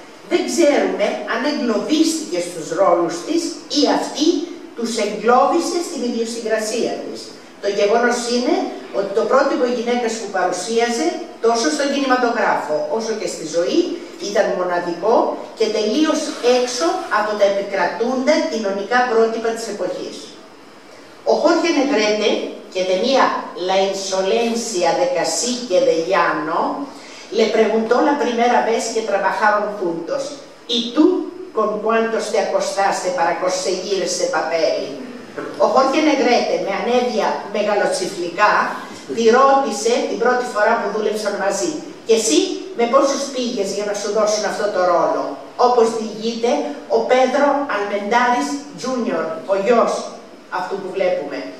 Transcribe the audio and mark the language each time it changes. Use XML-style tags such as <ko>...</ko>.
<el>Δεν ξέρουμε αν εγκλωβίστηκε στους ρόλους της ή αυτή τους εγκλώβησε στην ιδιοσυγκρασία της. Το γεγονός είναι ότι το πρότυπο γυναίκας που παρουσίαζε τόσο στον κινηματογράφο όσο και στη ζωή ήταν μοναδικό και τελείως έξω από τα επικρατούντα κοινωνικά πρότυπα της εποχής. Ο Χόρχε Νεγρέτε και ταινία</el> <es>La insolencia de Cacique de Llano le preguntó la primera vez que trabajaron juntos «Y tú, con cuántos te acostaste para conseguir ese papel?»</es> <el>Ο Χόρχε Νεγρέτε, με ανέδεια μεγαλοτσιφλικά, τη ρώτησε την πρώτη φορά που δούλεψαν μαζί. «Και εσύ, με πόσους πήγες για να σου δώσουν αυτό το ρόλο?» Όπως διηγείται ο Πέδρο Αλμεντάρης Τζούνιορ, ο γιος αυτού που βλέπουμε.</el>